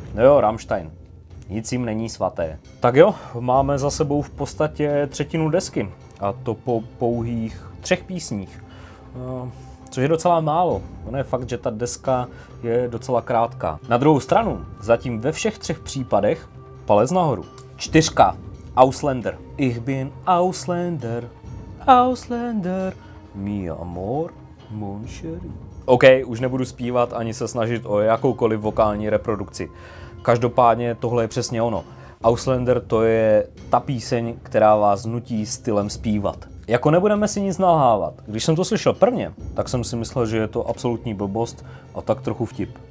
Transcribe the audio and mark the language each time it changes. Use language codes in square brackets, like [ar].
[cs] No jo, Rammstein, nic jim není svaté. Tak jo, máme za sebou v podstatě třetinu desky, a to po pouhých třech písních. Což je docela málo, ono je fakt, že ta deska je docela krátká. Na druhou stranu, zatím ve všech třech případech palec nahoru. Čtyřka, Ausländer. [de] Ich bin Ausländer, Ausländer, [es] mi amor, [fr] mon chéri. [cs] OK, už nebudu zpívat ani se snažit o jakoukoliv vokální reprodukci. Každopádně tohle je přesně ono. Ausländer to je ta píseň, která vás nutí stylem zpívat. Jako nebudeme si nic nalhávat. Když jsem to slyšel prvně, tak jsem si myslel, že je to absolutní blbost a tak trochu vtip.